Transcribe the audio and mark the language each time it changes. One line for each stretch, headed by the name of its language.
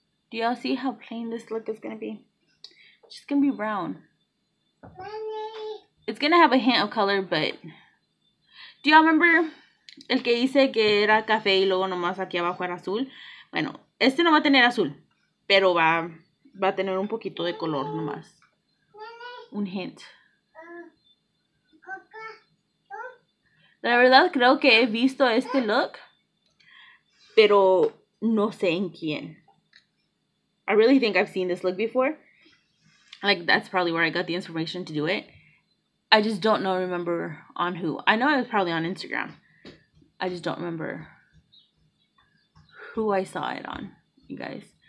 English: Do y'all see how plain this look is gonna be? It's just gonna be brown. It's gonna have a hint of color, but... Do y'all remember...
Spanish: El que dice que era café y luego nomás aquí abajo era azul. Bueno, este no va a tener azul, pero va a tener un poquito de color nomás. Un hint. La verdad creo que he visto este look, pero no sé en quién.
English: I really think I've seen this look before. Like, that's probably where I got the inspiration to do it. I just don't know, remember on who. I know it was probably on Instagram. I just don't remember who I saw it on, you guys.